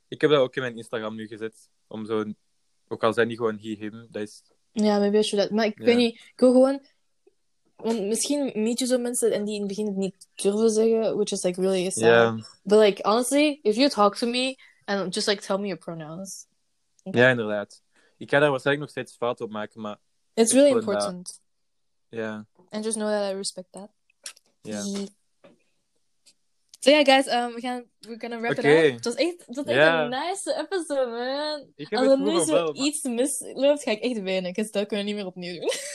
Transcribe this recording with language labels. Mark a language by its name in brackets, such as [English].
[Dutch] Ik heb dat ook in mijn Instagram nu gezet. Om zo, ook al zijn die gewoon he, him, dat is... [English] Ja, yeah, maybe I should that. [Dutch] Maar ik weet niet, ik wil gewoon... Want misschien meet je zo mensen en die in het begin het niet durven zeggen, [English] which is like really sad. Yeah. But like, honestly, if you talk to me, and just like, tell me your pronouns. [Dutch] Okay? Ja, inderdaad. Ik ga daar waarschijnlijk nog steeds fout op maken, maar... [English] It's really important. Yeah. And just know that I respect that. Yeah. So yeah, guys, we're gonna wrap okay. it up. [Dutch] Dat is echt een nice episode, man. Ik heb het nu zo iets misloopt, ga ik echt winnen. Dus dat kunnen we niet meer opnieuw doen.